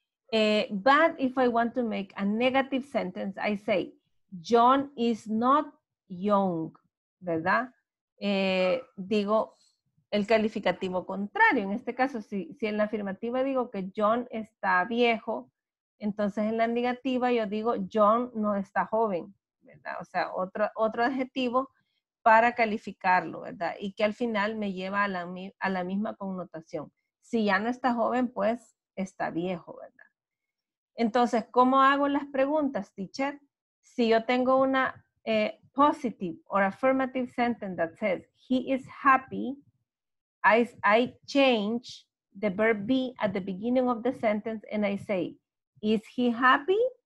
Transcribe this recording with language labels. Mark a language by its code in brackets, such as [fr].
[en] But if I want to make a negative sentence, I say, John is not young. [es] ¿Verdad? Digo, el calificativo contrario. En este caso, si en la afirmativa digo que John está viejo, entonces en la negativa yo digo John no está joven, ¿verdad? O sea, otro adjetivo para calificarlo, ¿verdad? Y que al final me lleva a la misma connotación. Si ya no está joven, pues está viejo, ¿verdad? Entonces, ¿cómo hago las preguntas, teacher? Si yo tengo una [en] positive or affirmative sentence that says he is happy, I change the verb be at the beginning of the sentence and I say, is he happy?